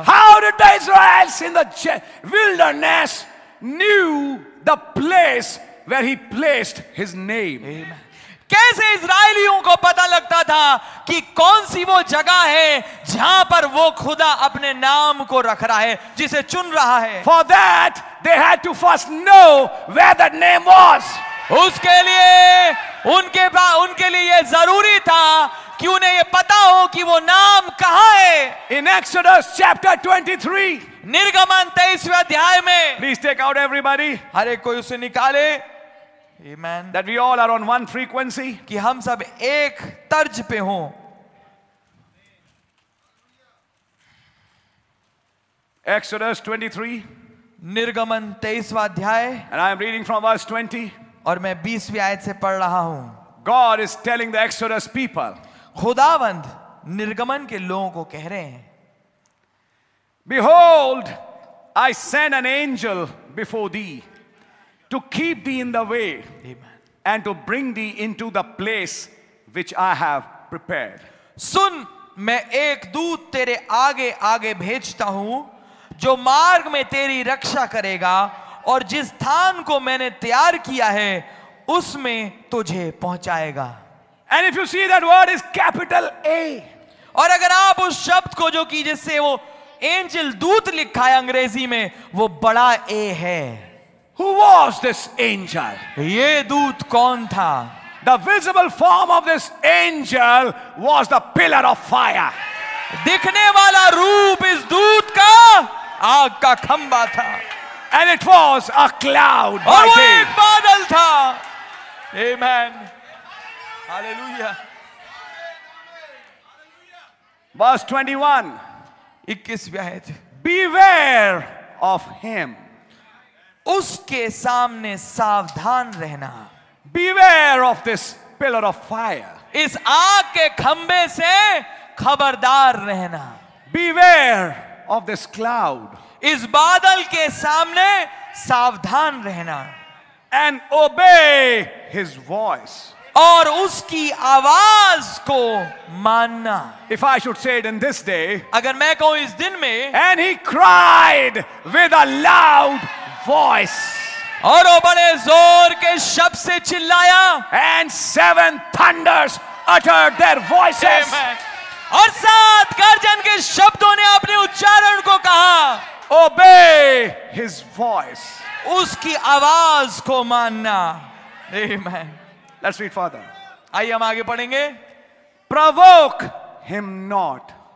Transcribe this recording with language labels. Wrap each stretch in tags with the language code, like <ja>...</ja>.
<en>How did the Israelites in the wilderness knew the place where he placed his name. Amen.</en> <hi>कैसे इजरायलियों को पता लगता था कि कौन सी वो जगह है जहां पर वो खुदा अपने नाम को रख रहा है, जिसे चुन रहा है।</hi> <en>For that they had to first know where that name was.</en> <hi>उसके लिए उनके पास, उनके लिए ये जरूरी था कि उन्हें ये पता हो कि वो नाम कहाँ है।</hi> <en>In Exodus chapter 23,</en> <hi>निर्गमन 23वें अध्याय में,</hi> <en>please take out everybody,</en> <hi>हर एक कोई उसे निकाले। Amen.</hi> <en>That we all are on one frequency,</en> <hi>कि हम सब एक तर्ज पे हों।</hi> <en>Exodus 23.</en> <hi>निर्गमन 23वां अध्याय,</hi> <en>and I am reading from verse 20,</en> <hi>और मैं 20वीं आयत से पढ़ रहा हूं।</hi> <en>God is telling the Exodus people,</en> <hi>खुदावंद निर्गमन के लोगों को कह रहे हैं,</hi> <en>Behold, I send an angel before thee to keep thee in the way, Amen. And to bring thee into the place which I have prepared.</en> <hi>सुन, मैं एक दूत तेरे आगे आगे भेजता हूं, जो मार्ग में तेरी रक्षा करेगा, और जिस स्थान को मैंने तैयार किया है उसमें तुझे पहुंचाएगा।</hi> <en>And if you see that word is capital A,</en> <hi>और अगर आप उस शब्द को जो कि जिससे वो एंजल दूत लिखा है अंग्रेजी में, वो बड़ा ए है।</hi> <en>Who was this angel?</en> <hi>ये दूत कौन था?</hi> <en>The visible form of this angel was the pillar of fire.</en> <hi>दिखने वाला रूप इस दूत का आग का खंबा था.</hi> <en>And it was a cloud.</en> <hi>और वो एक बादल था. Amen. Hallelujah.</hi> <en>Verse 21.</en> <hi>21वां आयत.</hi> <en>Beware of him.</en> <hi>उसके सामने सावधान रहना.</hi> <en>Beware of this pillar of fire.</en> <hi>इस आग के खंबे से खबरदार रहना.</hi> <en>Beware of this cloud.</en> <hi>इस बादल के सामने सावधान रहना.</hi> <en>And obey his voice.</en> <hi>और उसकी आवाज को मानना.</hi> <en>If I should say it in this day,</en> <hi>अगर मैं कहूं इस दिन में.</hi> <en>And he cried with a loud voice.</en> <hi>और वो बड़े जोर के शब्द से चिल्लाया.</hi> <en>And seven thunders uttered their voices.</en> <hi>और सात गर्जन के शब्दों ने अपने उच्चारण को कहा.</hi> <en>Obey his voice.</en> <hi>उसकी आवाज को मानना. Amen.</hi> <en>Let's read further.</en> <hi>आइए हम आगे पढ़ेंगे.</hi> <en>Provoke him not.</en>